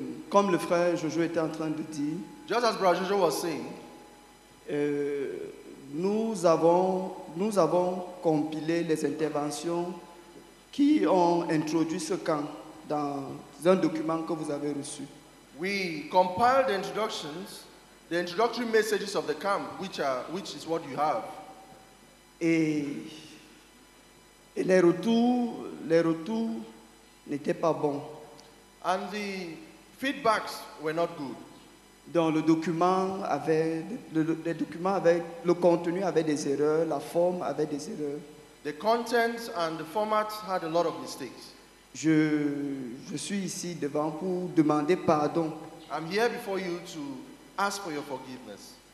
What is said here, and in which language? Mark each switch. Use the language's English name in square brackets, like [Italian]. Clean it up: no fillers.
[French] Comme le frère Jojo était en train de dire. [English] Just as Brother Jojo was saying. [French] Nous avons compilé les interventions qui ont introduit ce camp dans un document que vous avez reçu. [English] We compiled the introductory messages of the camp, which is what you have. [French] Et les retours n'étaient pas bons. [English] And the feedbacks were not good. [French] Donc le document avait le contenu avait des erreurs, la forme avait des erreurs. [English] The content and the format had a lot of mistakes. [French] Je suis ici devant pour demander pardon. [English] I'm here before you to ask for your forgiveness.